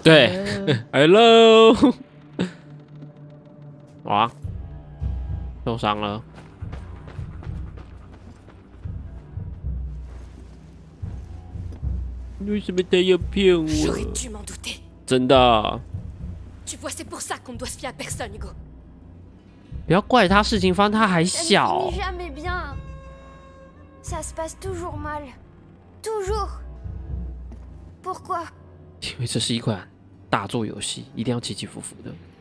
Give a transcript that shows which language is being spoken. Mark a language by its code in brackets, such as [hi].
[zh] 对，Hello， 哇，受伤了。” 为什么他要骗我？ [fr] j'aurais dû m'en douter。 [zh] 真的。 [fr] Tu vois, c'est pour ça qu'on ne doit se fier à personne, Hugo。 [zh] 不要怪他，事情发生他还小。 [fr] Ça ne finit jamais bien. Ça se passe toujours mal, toujours. Pourquoi？ [zh] 因为这是一款大作游戏，一定要起起伏伏的。